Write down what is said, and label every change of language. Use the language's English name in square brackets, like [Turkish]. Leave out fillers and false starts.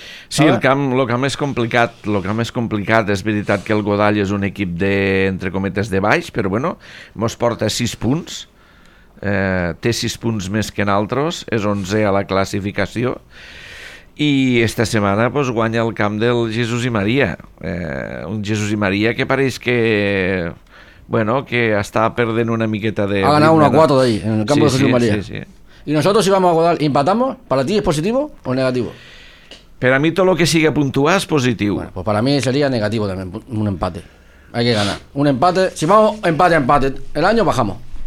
[Catalan] Sí, el camp és complicat, és veritat que el Godall és un equip de, entre cometes, de baix, però bueno, mos porta 6 punts, té 6 punts més que naltros, és 11è a la classificació, i esta setmana pues, guanya el camp del Jesús i Maria, un Jesús i Maria que pareix que, bueno, que està perdent una miqueta de... Ha ganat 1-4 d'ahir, en el camp, sí, del Jesús i Maria. Sí, sí, sí. [Spanish] y nosotros íbamos a Godal. ¿Empatamos? ¿Para ti es positivo o negativo? [Catalan] Per a mi tot el que sigui puntuar és positiu. [Spanish] Bueno, pues para mí sería negativo también, un empate. Hay que ganar. Un empate, si vamos empate a empate, el año bajamos.